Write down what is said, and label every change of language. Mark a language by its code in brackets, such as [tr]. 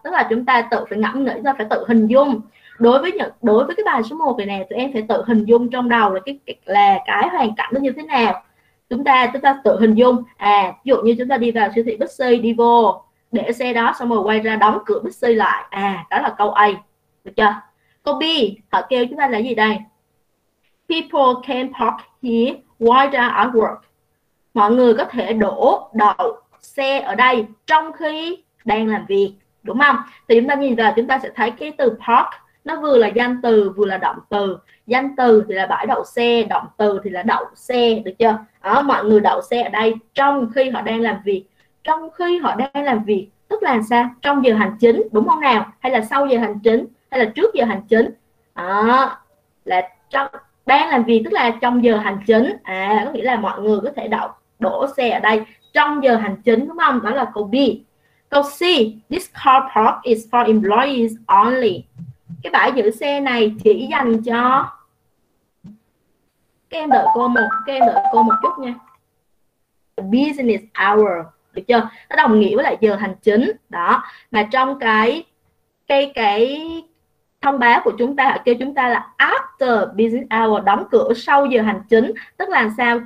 [vi] Tức là chúng ta tự phải ngẫm nghĩ ra, phải tự hình dung. Đối với cái bài số 1 này nè, tụi em phải tự hình dung trong đầu là cái hoàn cảnh nó như thế nào. Chúng ta tự hình dung, à ví dụ như chúng ta đi vào siêu thị Bixi, đi vô để xe đó xong rồi quay ra đóng cửa Bixi lại, à đó là câu A, được chưa? Câu B họ kêu chúng ta là gì đây? [en] People can park here while they are at work. [vi] Mọi người có thể đổ đậu xe ở đây trong khi đang làm việc, đúng không? Thì chúng ta nhìn vào, chúng ta sẽ thấy cái từ park nó vừa là danh từ vừa là động từ. Danh từ thì là bãi đậu xe, động từ thì là đậu xe, được chưa? Đó, mọi người đậu xe ở đây trong khi họ đang làm việc. Trong khi họ đang làm việc tức là sao? Trong giờ hành chính, đúng không nào? Hay là sau giờ hành chính, hay là trước giờ hành chính? Đó, là trong đang làm việc tức là trong giờ hành chính, à có nghĩa là mọi người có thể đậu đổ xe ở đây trong giờ hành chính, đúng không? Đó là câu B. Câu C, [en] this car park is for employees only. [vi] Cái bãi giữ xe này chỉ dành cho, các em đợi cô một chút nha. Business hour, được chưa? Nó đồng nghĩa với lại giờ hành chính đó. Mà trong cái thông báo của chúng ta, họ kêu chúng ta là [en] after business hour, [vi] đóng cửa sau giờ hành chính, tức là sao?